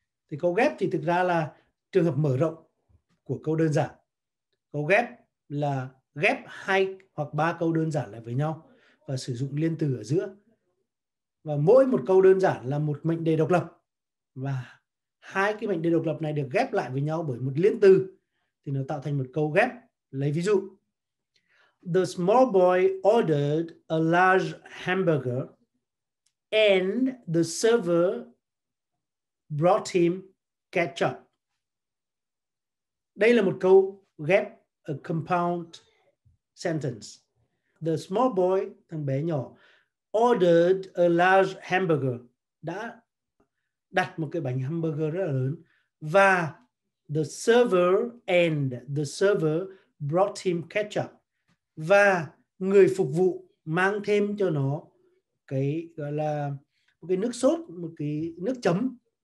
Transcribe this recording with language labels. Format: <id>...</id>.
<vi>Thì câu ghép thì thực ra là trường hợp mở rộng của câu đơn giản. Câu ghép là ghép hai hoặc ba câu đơn giản lại với nhau. và sử dụng liên từ ở giữa. Và mỗi một câu đơn giản là một mệnh đề độc lập. Và hai cái mệnh đề độc lập này được ghép lại với nhau bởi một liên từ, thì nó tạo thành một câu ghép. Lấy ví dụ.</vi> <en>The small boy ordered a large hamburger and the server brought him ketchup.</en> <vi>Đây là một câu ghép,</vi> <en>a compound sentence. The small boy,</en> <vi>thằng bé nhỏ,</vi> <en>ordered a large hamburger,</en> <vi>đã đặt một cái bánh hamburger rất là lớn, và</vi> <en>the server brought him ketchup,</en> <vi>và người phục vụ mang thêm cho nó cái gọi là một cái nước sốt, một cái nước chấm.</vi>